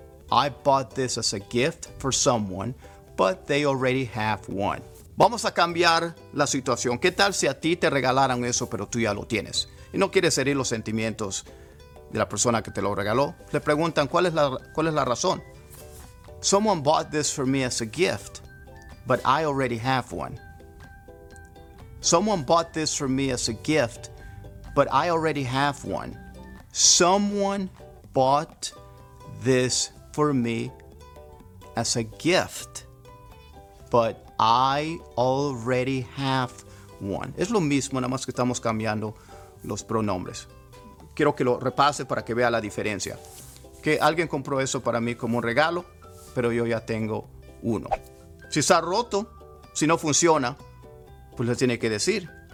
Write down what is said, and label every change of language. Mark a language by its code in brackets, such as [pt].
[en] I bought this as a gift for someone, but they already have one. [es] Vamos a cambiar la situación. ¿Qué tal si a ti te regalaran eso, pero tú ya lo tienes? Y no quieres herir los sentimientos de la persona que te lo regaló. Le preguntan, ¿cuál es la razón? [en] Someone bought this for me as a gift, but I already have one. Someone bought this for me as a gift, but I already have one. Someone bought this for me as a gift, but I already have one. [es] Es lo mismo, nada más que estamos cambiando los pronombres. Quiero que lo repase para que vea la diferencia. Que alguien compró eso para mí como un regalo, pero yo ya tengo uno. Si está roto, si no funciona, pues le tiene que decir.